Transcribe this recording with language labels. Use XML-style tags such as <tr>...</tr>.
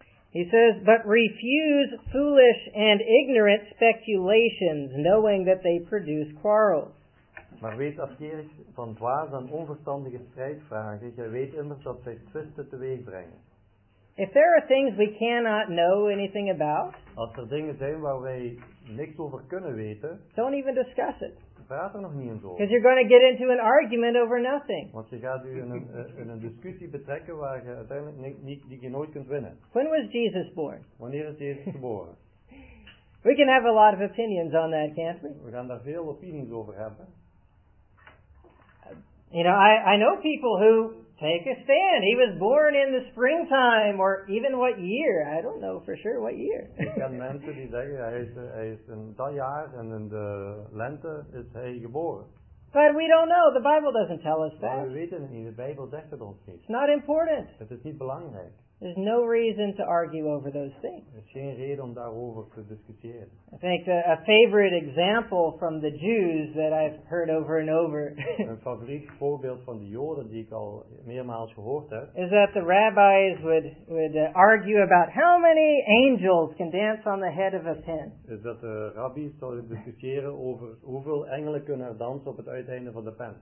<en>He says, but refuse foolish and ignorant speculations, knowing that they produce quarrels.</en> <nl>Maar weet afkeerig van dwaas en onverstandige strijdvragen. Je weet immers dat zij twisten teweeg brengen.</nl> <en>If there are things we cannot know anything about,</en> <nl>als er dingen zijn waar wij niks over kunnen weten,</nl> <en>don't even discuss it.</en> <nl>Praat er nog niet eens over.</nl> <en>Because you're going to get into an argument over nothing.</en> <nl>Want je gaat u in een discussie betrekken waar je uiteindelijk die je nooit kunt winnen.</nl> <en>When was Jesus born?</en> <nl>Wanneer is Jezus geboren?</nl> <en>We can have a lot of opinions on that, can't we?</en> <nl>We gaan daar veel opinies over hebben.</nl> <en>You know, I know people who take a stand. He was born in the springtime, or even what year? I don't know for sure what year.</en> <nl>Ik ken mensen die zeggen hij is in dat jaar en in de lente is hij geboren.</nl> <en>But we don't know. The Bible doesn't tell us that.</en> <nl>We weten het niet. De Bijbel zegt het ons niet.</nl> <en>It's not important.</en> <nl>Het is niet belangrijk.</nl> <en>There's no reason to argue over those things.</en> <nl>Er is geen reden om daarover te discussiëren.</nl> <en>I think a favorite example from the Jews that I've heard over and over.</en> <nl>Een favoriet voorbeeld van de Joden die ik al meermaals gehoord heb.</nl> <en>Is that the rabbis would argue about how many angels can dance on the head of a pin.</en> <nl>Is dat de rabbis zouden discussiëren over hoeveel engelen kunnen er dansen op het uiteinde van de pen.</nl>